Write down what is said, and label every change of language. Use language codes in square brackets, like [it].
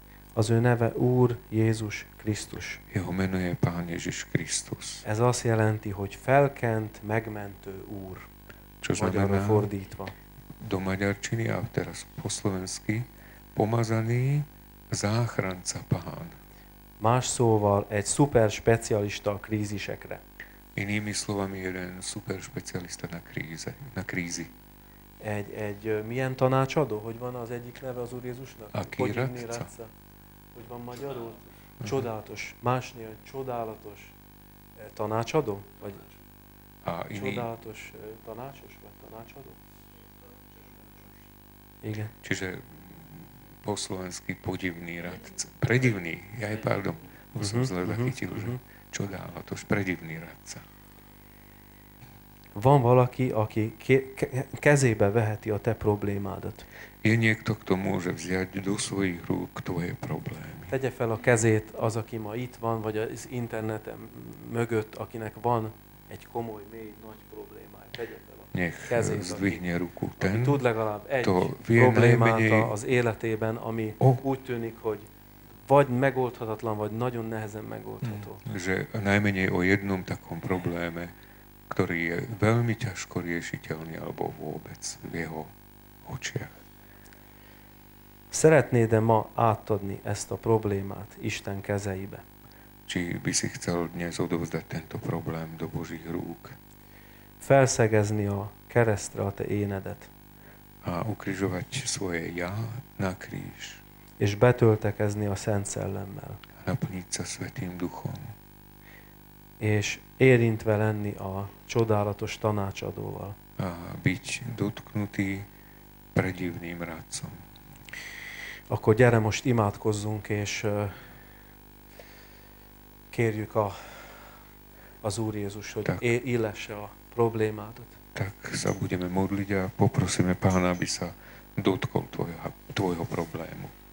[hu] Az ő neve Úr Jézus Krisztus. [sk] Jeho meno je Pán Ježiš Krisztus. [hu] Ez azt jelenti, hogy felkent, megmentő Úr. [sk] Čo [hu] magyarul fordítva. [sk] Do magyarčiny a teraz po slovensky. Pomazaný záchranca Pán. [hu] Más szóval egy szuper specialista a krízisekre. [sk] Inými slovami jeden szuper specialista na krízi. [hu] Egy milyen tanácsadó? Hogy van az egyik neve az Úr Jézusnak? Aki Ratza. Hogy van magyarul? Csodálatos. Másnél csodálatos tanácsadó? Vagy csodálatos tanácsos? Vagy tanácsadó? Igen. [sk] Čiže po slovensky podivný radca. Predivný, ja je pardon, som zle zachytil, že čo dáva, tož predivný radca. [hu] Van valaki, aki kezébe veheti a te problémádat. [sk] Je niekto, kto môže vziať do svojich rúk tvoje problémy. [hu] Tegye fel a kezét az, aki ma itt van, vagy az interneten mögött, akinek van egy komoly, mély, nagy problémája. Tegye fel. [sk] Nech zdvihne ruku ten, [hu] aki tud legalább egy problémát az életében, ami úgy tűnik, hogy vagy megoldhatatlan, vagy nagyon nehezen megoldható. [sk] Že najmenej o jednom takom probléme, ktorý je veľmi ťažko riešiteľný, alebo vôbec v jeho očiach. [hu] Szeretnéd-e ma átadni ezt a problémát Isten kezeibe? [sk] Či by si chcel dnes odovzdať tento problém do Božích rúk? [hu] Felszegezni a keresztre a te énedet. [sk] A ukrižovať svoje ja na kríž. [hu] És betöltekezni a Szent Szellemmel. [sk] A naplniť sa Svetým Duchom. [hu] És érintve lenni a csodálatos tanácsadóval. [sk] A byť dotknutý predivným rádcom. [hu] Akkor gyere most imádkozzunk, és kérjük a az Úr Jézus, hogy illesse a problémádat. [sk] Tak sa budeme modliť a poprosíme Pána, aby sa dotkol tvojho problému.